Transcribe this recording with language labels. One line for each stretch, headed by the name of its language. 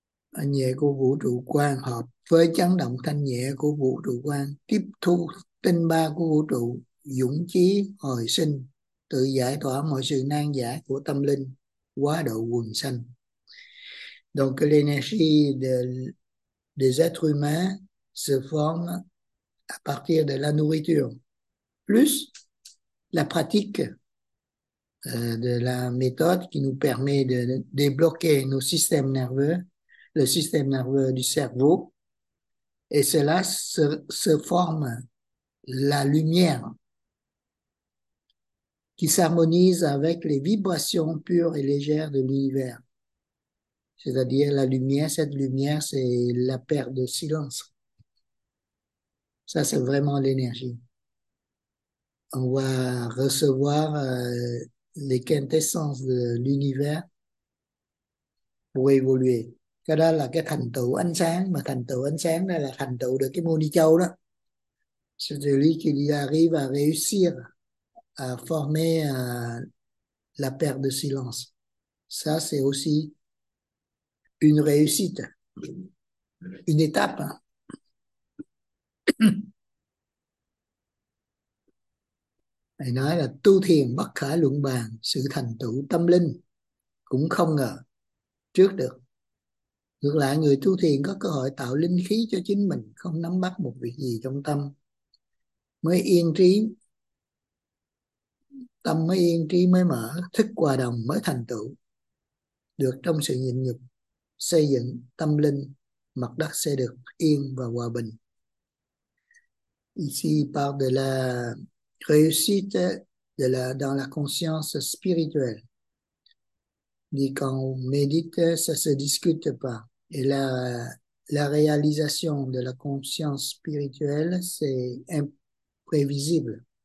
Vietnamese: Anh nhẹ của vũ trụ quan hợp với chấn động thanh nhẹ của vũ trụ quan, tiếp thu tinh ba của vũ trụ, dũng chí hồi sinh, tự giải tỏa mọi sự nan giải của tâm linh, hóa độ quần sanh.
French: Donc l'énergie des êtres humains se forme à partir de la nourriture, plus la pratique de la méthode qui nous permet de débloquer nos systèmes nerveux, le système nerveux du cerveau, et cela se forme la lumière qui s'harmonise avec les vibrations pures et légères de l'univers. C'est-à-dire la lumière, cette lumière, c'est la perte de silence. Ça, c'est vraiment l'énergie. On va recevoir les quintessences de l'univers pour évoluer.
Vietnamese: Cái đó là cái thành tựu ánh sáng, mà thành tựu ánh sáng đó là thành tựu được cái Môn Đi Châu đó.
French: C'est celui qui arrive à réussir à former la perte de silence. Ça, c'est aussi une réussite, une étape.
Vietnamese: Nói là tu thiền bất khả luận bàn, sự thành tựu tâm linh cũng không ngờ trước được. Ngược lại, người tu thiền có cơ hội tạo linh khí cho chính mình, không nắm bắt một việc gì trong tâm, mới yên trí, tâm mới yên trí, mới mở, thức hòa đồng mới thành tựu được trong sự nhịn nhục xây dựng tâm linh, mặt đất sẽ được yên và hòa bình.
French: Ici, il parle de la réussite dans la conscience spirituelle. Dit quand on médite, ça ne se discute pas. Et la réalisation de la conscience spirituelle, c'est imprévisible.